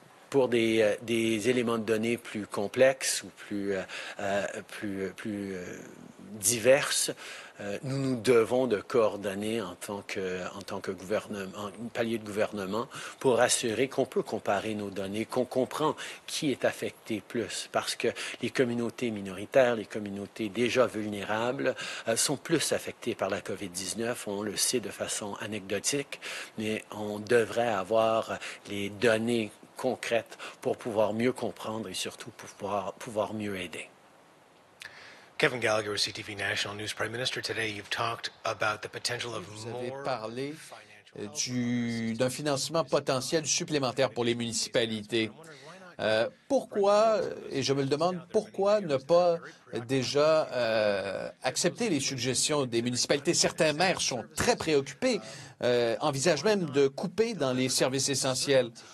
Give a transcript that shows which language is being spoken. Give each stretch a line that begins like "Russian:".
French: Pour des éléments de données plus complexes ou plus diverses, nous devons de coordonner en tant que gouvernement, un palier de gouvernement, pour assurer qu'on peut comparer nos données, qu'on comprend qui est affecté plus, parce que les communautés minoritaires, les communautés déjà vulnérables, sont plus affectées par la COVID-19. On le sait de façon anecdotique, mais on devrait avoir les données concrètes pour pouvoir mieux comprendre et surtout pour pouvoir mieux aider.
English: Kevin Gallagher, CTV National News. Prime Minister, today you've talked about the potential of
French: more. Vous avez parlé d'un financement potentiel supplémentaire pour les municipalités. Pourquoi, et je me le demande, pourquoi ne pas déjà accepter les suggestions des municipalités? Certains maires sont très préoccupés, envisagent même de couper dans les services essentiels.